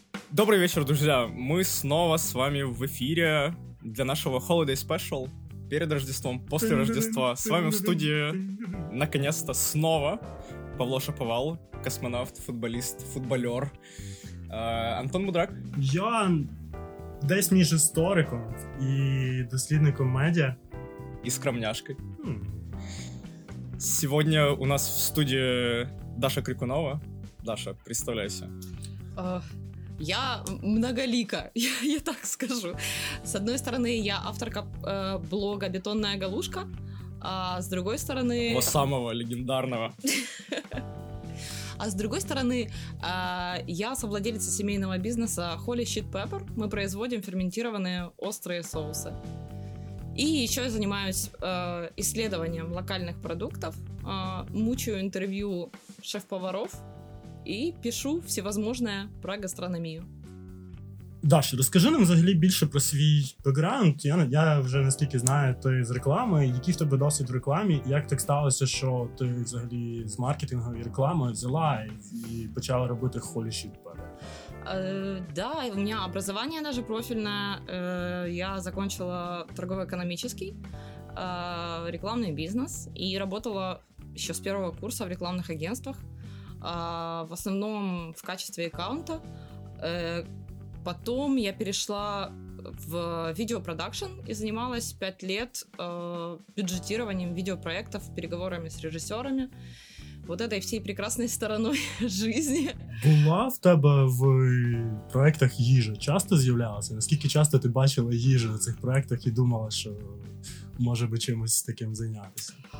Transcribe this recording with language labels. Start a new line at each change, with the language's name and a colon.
Russian: Добрый вечер, друзья! Мы снова с вами в эфире для нашего Holiday Special перед Рождеством, после Рождества. С вами в студии, наконец-то, снова Павло Шаповал, космонавт, футболист, футболер. Антон Мудрак.
Ukrainian: Я десь між істориком і дослідником медіа. І скромняшкой. Сьогодні у нас в студії Даша Крикунова. Даша, представляйся.
Russian: Я многолика, я так скажу. С одной стороны, я авторка блога «Бетонная галушка», а с другой стороны... Того самого легендарного. А с другой стороны, я совладелица семейного бизнеса «Holy Shit Pepper». Мы производим ферментированные острые соусы. И еще я занимаюсь исследованием локальных продуктов, мучаю интервью шеф-поваров и пишу всевозможное про гастрономию.
Ukrainian: Даша, розкажи нам взагалі більше про свій бекграунд. Я вже наскільки знаю, ти з реклами. Який в тебе досвід в рекламі? Як так сталося, що ти взагалі з маркетингом і рекламою взяла і почала робити Holy Shit Pepper?
Russian: Да, у меня образование даже профильное. Я закончила торгово-экономический рекламный бизнес и работала еще с первого курса в рекламных агентствах. В основном в качестве аккаунта. Потом я перешла в видеопродакшн и занималась 5 лет бюджетированием видеопроектов, переговорами с режиссерами, вот этой всей прекрасной стороной жизни.
Ukrainian: Была в тебе в проектах їжа? Часто з'являлася? Наскільки часто ти бачила їжу на цих проектах і думала, що може би чимось таким зайнятися?